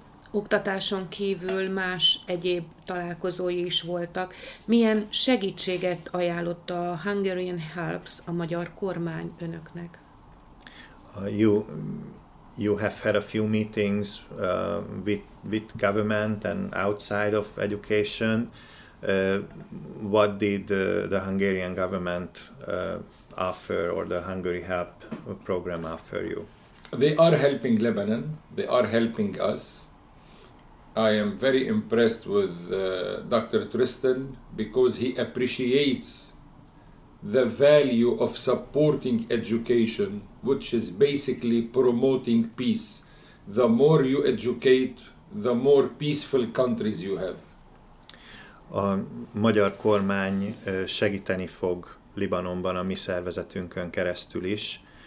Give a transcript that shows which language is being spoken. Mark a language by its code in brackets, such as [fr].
[hu] Oktatáson kívül más egyéb találkozói is voltak. Milyen segítséget ajánlott a Hungarian Helps a magyar kormány önöknek? [en] You have had a few meetings with government and outside of education. What did the Hungarian government offer or the Hungary Help program offer you? They are helping Lebanon. They are helping us. I am very impressed with Dr. Tristan because he appreciates the value of supporting education, which is basically promoting peace. The more you educate, the more peaceful countries you have. [hu] A magyar kormány segíteni fog Libanonban a mi szervezetünkön keresztül is.